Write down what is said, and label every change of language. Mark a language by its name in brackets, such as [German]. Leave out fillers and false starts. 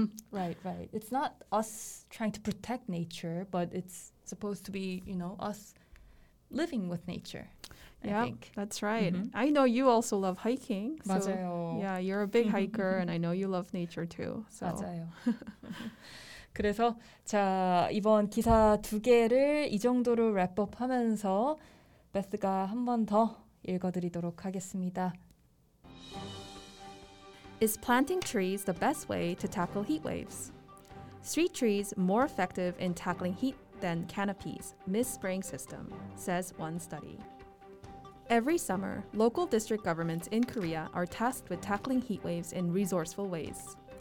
[English] Right. It's not us trying to protect nature, but it's supposed to be, you know, us living with nature. Yeah, that's right. Mm-hmm. I know you also love hiking. [Korean] 맞아요. [English] So, yeah, you're a big hiker, and I know you love nature too. So. [Korean] 맞아요. 그래서 자 이번 기사 두 개를 이 정도로 랩업하면서 베스가 한 번 더 읽어드리도록 하겠습니다. [English] Is planting trees the best way to tackle heat waves? Street trees more effective in tackling heat than canopies, Miss Spraying System, says one study. Every summer, local district governments in Korea are tasked with tackling heat waves in resourceful ways.